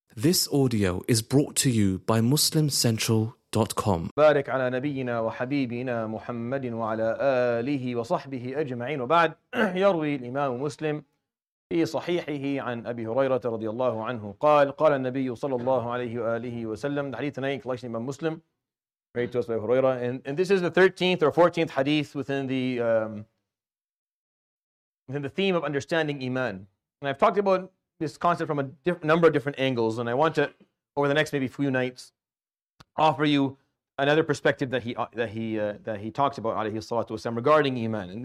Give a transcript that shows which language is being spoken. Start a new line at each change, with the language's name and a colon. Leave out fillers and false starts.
English: This audio is brought to you by MuslimCentral.com.
Arabic: بارك على نبينا وحبيبنا محمد وعلى آله وصحبه أجمعين. وبعد، يروي الإمام مسلم في صحيحه عن أبي هريرة رضي الله عنه قال قال النبي صلى الله عليه وآله وسلم.
English: The hadith tonight, collection of Muslim, read to us by Huraira. And this is the 13th or 14th hadith within the theme of understanding iman. And I've talked about this concept from a number of different angles, and I want to, over the next maybe few nights, offer you another perspective that he talks about, alayhi salatu wasalam, regarding iman.